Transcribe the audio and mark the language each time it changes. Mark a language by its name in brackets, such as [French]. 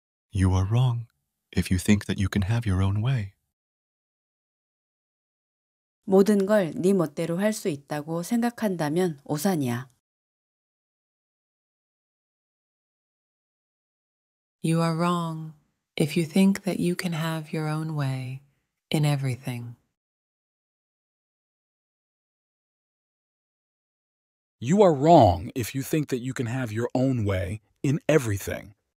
[English] You are wrong if you think that you can have your own way. [Korean] 모든 걸 네 멋대로 할 수 있다고 생각한다면 오산이야. [English] You are wrong if you think that you can have your own way in everything. You are wrong if you think that you can have your own way in everything.